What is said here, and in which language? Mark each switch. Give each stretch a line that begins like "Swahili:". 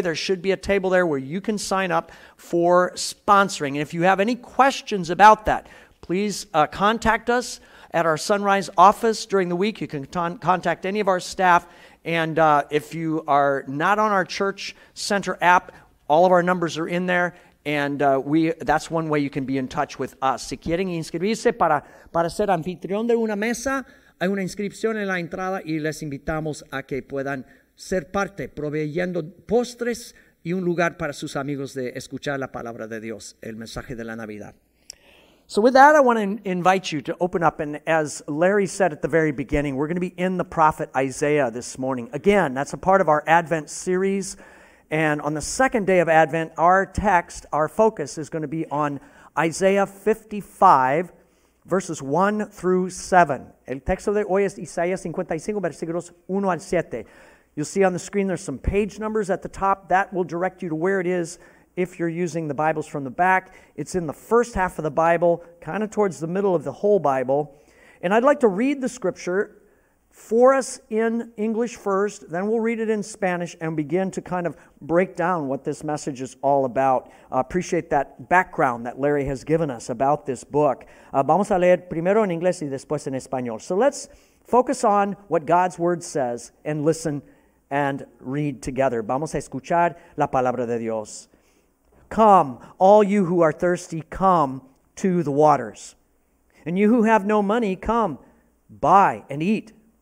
English: There should be a table there where you can sign up for sponsoring. And if you have any questions about that, please contact us at our Sunrise office during the week. You can contact any of our staff. And if you are not on our Church Center app, all of our numbers are in there. And that's one way you can be in touch with us.
Spanish: Si quieren inscribirse para ser anfitrión de una mesa, hay una inscripción en la entrada y les invitamos a que puedan ser parte, proveyendo postres y un lugar para sus amigos de escuchar la palabra de Dios, el mensaje de la Navidad.
English: So with that, I want to invite you to open up. And as Larry said at the very beginning, we're going to be in the prophet Isaiah this morning. Again, that's a part of our Advent series. And on the second day of Advent, our text, our focus is going to be on Isaiah 55, verses 1 through 7.
Spanish: El texto de hoy es Isaías 55, versículos 1 al 7.
English: You'll see on the screen there's some page numbers at the top. That will direct you to where it is if you're using the Bibles from the back. It's in the first half of the Bible, kind of towards the middle of the whole Bible. And I'd like to read the scripture for us in English first, then we'll read it in Spanish and begin to kind of break down what this message is all about. Appreciate that background that Larry has given us about this book.
Spanish: Vamos a leer primero en inglés y después en español.
English: So let's focus on what God's Word says and listen and read together.
Spanish: Vamos a escuchar la palabra de Dios.
English: Come, all you who are thirsty, come to the waters. And you who have no money, come, buy and eat.